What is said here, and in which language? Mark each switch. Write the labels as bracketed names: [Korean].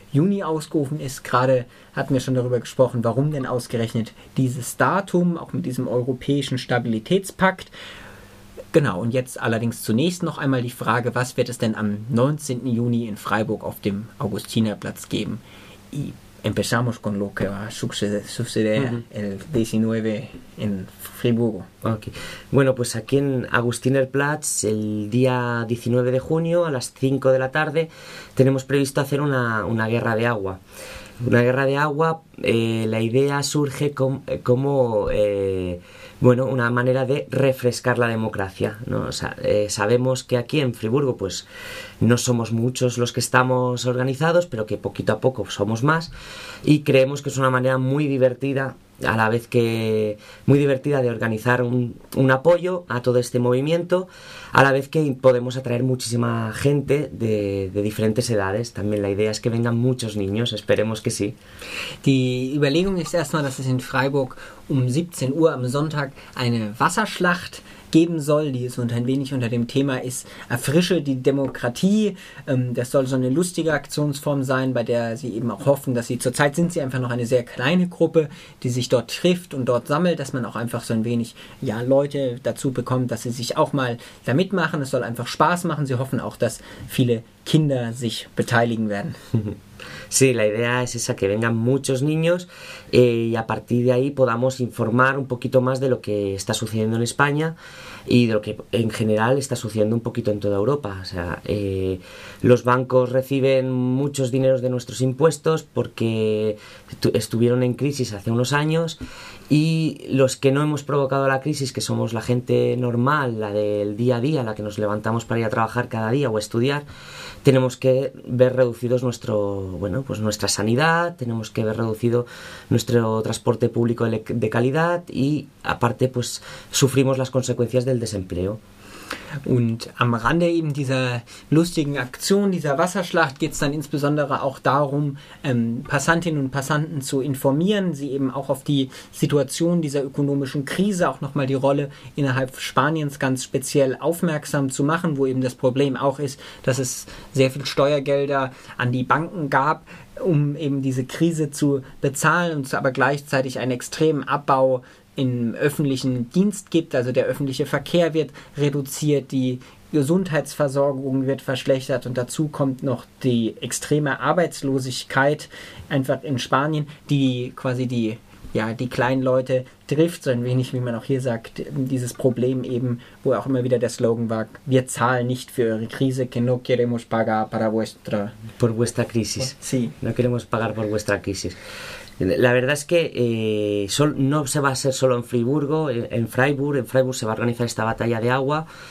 [German] Juni ausgerufen ist. Gerade hatten wir schon darüber gesprochen, warum denn ausgerechnet dieses Datum, auch mit diesem europäischen Stabilitätspakt. Genau, und jetzt allerdings zunächst noch einmal die Frage, was wird es denn am 19. Juni in Freiburg auf dem Augustinerplatz geben? [Spanish] Y empezamos con lo que va a suceder el 19 en Friburgo. Okay. Bueno, pues aquí en Augustinerplatz, el día 19 de junio, a las 5 de la tarde, tenemos previsto hacer una guerra de agua. Una guerra de agua, la idea surge como una manera de refrescar la democracia, ¿no? O sea, sabemos que aquí en Friburgo pues no somos muchos los que estamos organizados, pero que poquito a poco somos más, y creemos que es una manera muy divertida, a la vez que muy divertida, de organizar un apoyo a todo este movimiento, a la vez que podemos atraer muchísima gente de diferentes edades. También la idea es que vengan muchos niños, esperemos que sí. [German] Die Überlegung ist erstmal, dass es in Freiburg um 17 Uhr am Sonntag eine Wasserschlacht geben soll, die es ein wenig unter dem Thema ist, erfrische die Demokratie. Das soll so eine lustige Aktionsform sein, bei der sie eben auch hoffen, dass sie, zurzeit sind sie einfach noch eine sehr kleine Gruppe, die sich dort trifft und dort sammelt, dass man auch einfach so ein wenig, ja, Leute dazu bekommt, dass sie sich auch mal da mitmachen. Es soll einfach Spaß machen. Sie hoffen auch, dass viele Kinder sich beteiligen werden. [Spanish] Sí, la idea es esa, que vengan muchos niños y a partir de ahí podamos informar un poquito más de lo que está sucediendo en España y de lo que en general está sucediendo un poquito en toda Europa. O sea, los bancos reciben muchos dineros de nuestros impuestos porque estuvieron en crisis hace unos años, y los que no hemos provocado la crisis, que somos la gente normal, la del día a día, la que nos levantamos para ir a trabajar cada día o estudiar, tenemos que ver reducidos nuestra sanidad, tenemos que ver reducido nuestro transporte público de calidad, y aparte pues sufrimos las consecuencias del desempleo. [German] Und am Rande eben dieser lustigen Aktion, dieser Wasserschlacht, geht es dann insbesondere auch darum, Passantinnen und Passanten zu informieren, sie eben auch auf die Situation dieser ökonomischen Krise, auch nochmal die Rolle innerhalb Spaniens ganz speziell aufmerksam zu machen, wo eben das Problem auch ist, dass es sehr viel Steuergelder an die Banken gab, um eben diese Krise zu bezahlen, und aber gleichzeitig einen extremen Abbau im öffentlichen Dienst gibt, also der öffentliche Verkehr wird reduziert, die Gesundheitsversorgung wird verschlechtert, und dazu kommt noch die extreme Arbeitslosigkeit einfach in Spanien, die quasi die kleinen Leute trifft, so ein wenig, wie man auch hier sagt, dieses Problem eben, wo auch immer wieder der Slogan war, wir zahlen nicht für eure Krise, [Spanish] que no queremos pagar para vuestra... Por vuestra crisis. Sí. No queremos pagar por vuestra crisis. La verdad es que no se va a hacer solo en Friburgo, en Freiburg se va a organizar esta batalla de agua,